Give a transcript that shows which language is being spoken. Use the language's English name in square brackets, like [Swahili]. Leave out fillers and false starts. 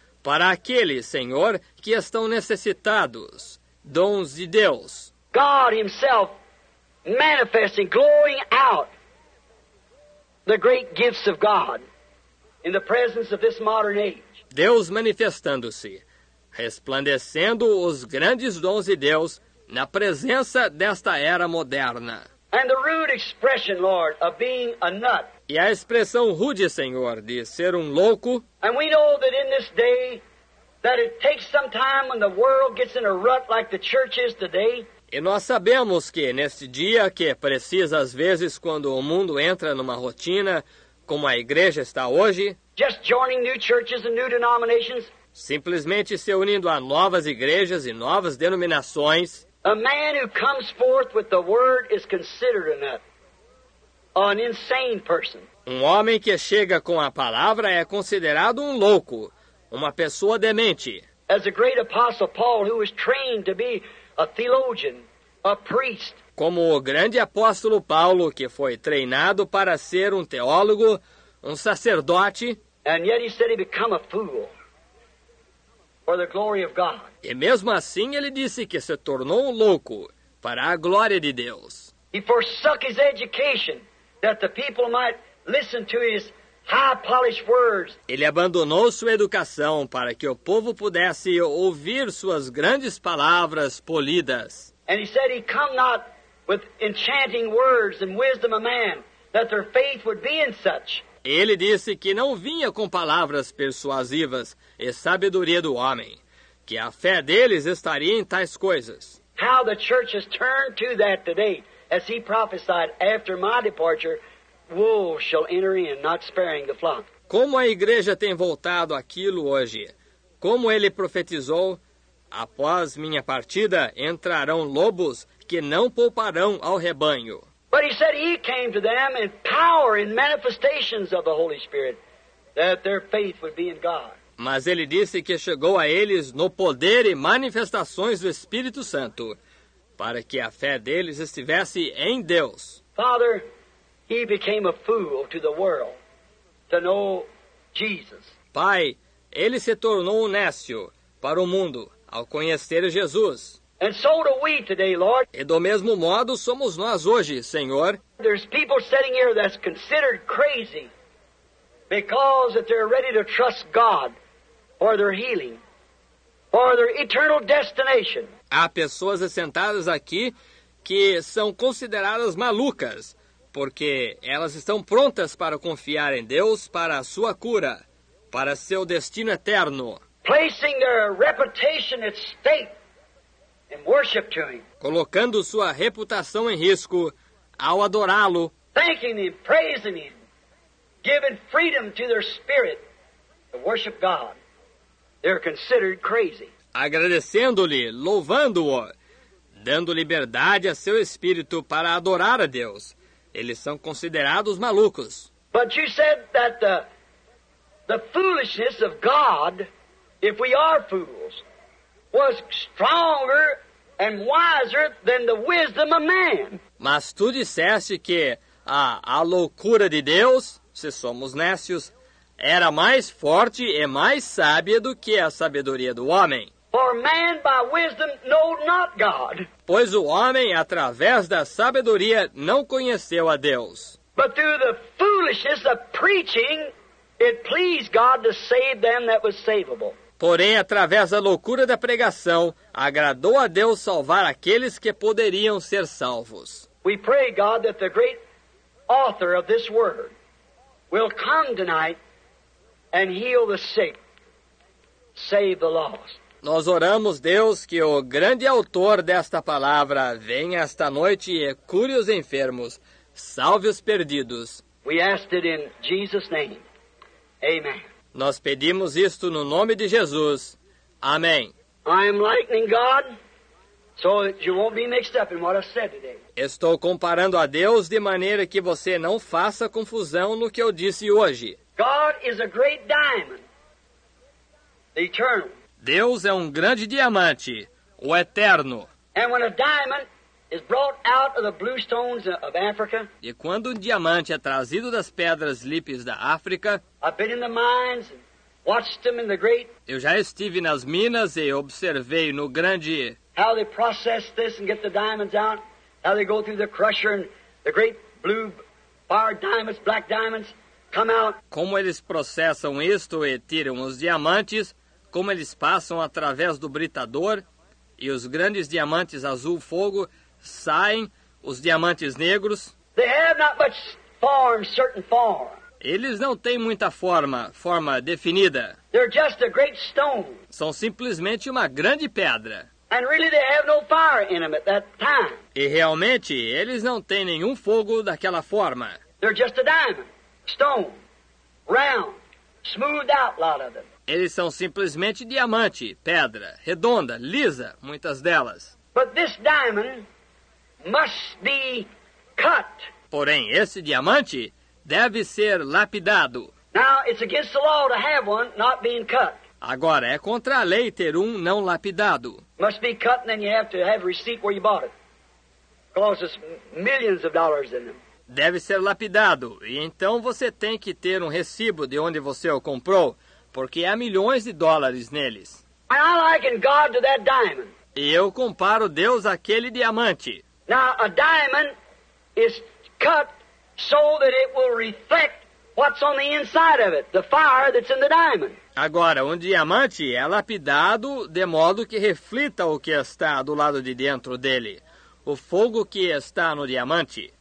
[Portuguese] Para aqueles, Senhor, que estão necessitados. Dons de Deus. [English] God himself manifesting, glowing out the great gifts of God in the presence of this modern age. [Portuguese] Deus manifestando-se, resplandecendo os grandes dons de Deus na presença desta era moderna. [English] And the rude expression, Lord, of being a nut. [Portuguese] E a expressão rude, Senhor, de ser um louco. [English] And we know that in this day, that it takes some time when the world gets in a rut like the church is today. [Portuguese] E nós sabemos que neste dia que precisa, às vezes, quando o mundo entra numa rotina, como a igreja está hoje, [English] just joining new churches and new denominations, [Portuguese] simplesmente se unindo a novas igrejas e novas denominações. [English] A man who comes forth with the word is considered an insane person. [Portuguese] Um homem que chega com a palavra é considerado um louco, uma pessoa demente. [English] As a great apostle Paul, who was trained to be a theologian, a priest. [Portuguese] Como o grande apóstolo Paulo, que foi treinado para ser um teólogo, um sacerdote. [English] And yet he said he became a fool for the glory of God. [Portuguese] E mesmo assim ele disse que se tornou um louco para a glória de Deus. [English] He forsook his education that the people might listen to his high polished words. [Portuguese] Ele abandonou sua educação para que o povo pudesse ouvir suas grandes palavras polidas. [English] And he said he come not with enchanting words and wisdom of man, that their faith would be in such. [Portuguese] Ele disse que não vinha com palavras persuasivas e sabedoria do homem, que a fé deles estaria em tais coisas. [English] How the church has turned to that today, as he prophesied, after my departure, wolves shall enter in, not sparing the flock. [Portuguese] Como a igreja tem voltado aquilo hoje? Como ele profetizou, após minha partida, entrarão lobos que não pouparão ao rebanho. [English] But he said he came to them in power and manifestations of the Holy Spirit, that their faith would be in God. [Portuguese] Mas ele disse que chegou a eles no poder e manifestações do Espírito Santo, para que a fé deles estivesse em Deus. [English] Father, he became a fool to the world to know Jesus. [Portuguese] Pai, ele se tornou um néscio para o mundo ao conhecer Jesus. [English] And so do we today, Lord. [Portuguese] E do mesmo modo somos nós hoje, Senhor. [English] There's people sitting here that's considered crazy because that they're ready to trust God for their healing, for their eternal destination. [Portuguese] Há pessoas sentadas aqui que são consideradas malucas, porque elas estão prontas para confiar em Deus para a sua cura, para seu destino eterno. [English] Placing their reputation at stake and worship to him. [Portuguese] Colocando sua reputação em risco ao adorá-lo. [English] Thanking him, praising him, giving freedom to their spirit to worship God. They're considered crazy. [Portuguese] Agradecendo-lhe, louvando-o, dando liberdade a seu espírito para adorar a Deus. Eles são considerados malucos. [English] But you said that the foolishness of God, if we are fools, was stronger and wiser than the wisdom of man. [Portuguese] Mas tu disseste que a loucura de Deus, se somos néscios, era mais forte e mais sábia do que a sabedoria do homem. [English] For man by wisdom know not God. [Portuguese] Pois o homem, através da sabedoria, não conheceu a Deus. [English] But through the foolishness of preaching, it pleased God to save them that was savable. [Portuguese] Porém, através da loucura da pregação, agradou a Deus salvar aqueles que poderiam ser salvos. [English] We pray, God, that the great author of this word will come tonight and heal the sick, save the lost. [Portuguese] Nós oramos, Deus, que o grande autor desta palavra venha esta noite e cure os enfermos, salve os perdidos. [English] We ask it in Jesus' name. Amen. [Portuguese] Nós pedimos isto no nome de Jesus. Amém. [English] I am likening God, so you won't be mixed up in what I said today. [Portuguese] Estou comparando a Deus de maneira que você não faça confusão no que eu disse hoje. [English] God is a great diamond, the eternal. [Portuguese] Deus é um grande diamante, o eterno. [English] And when a diamond is brought out of the blue stones of Africa, [Portuguese] e quando um diamante é trazido das pedras lípidas da África, [English] I've been in the mines and watched them in the great. [Portuguese] Eu já estive nas minas e observei no grande. [English] How they process this and get the diamonds out. How they go through the crusher and the great blue fire diamonds, black diamonds come out. [Portuguese] Como eles processam isto e tiram os diamantes? Como eles passam através do britador e os grandes diamantes azul fogo saem, os diamantes negros. [English] They have not much form, certain form. [Portuguese] Eles não têm muita forma definida. [English] They're just a great stone. [Portuguese] São simplesmente uma grande pedra. [English] And really they have no fire in them at that time. [Portuguese] E realmente eles não têm nenhum fogo daquela forma. [English] They're just a diamond, stone, round, smoothed out lot of them. [Portuguese] Eles são simplesmente diamante, pedra, redonda, lisa, muitas delas. [English] But this diamond must be cut. [Portuguese] Porém, esse diamante deve ser lapidado. [English] Now, it's against the law to have one not being cut. [Portuguese] Agora, é contra a lei ter um não lapidado. [English] Must be cut and then you have to have a receipt where you bought it. Causes millions of dollars in them. [Portuguese] Deve ser lapidado, e então você tem que ter um recibo de onde você o comprou, porque há milhões de dólares neles. [English] And I liken God to that diamond. [Portuguese] E eu comparo Deus àquele diamante. [English] Now, a diamond is cut so that it will reflect what's on the inside of it, the fire that's in the diamond. [Portuguese] Agora, um diamante é lapidado de modo que reflita o que está do lado de dentro dele, o fogo que está no diamante.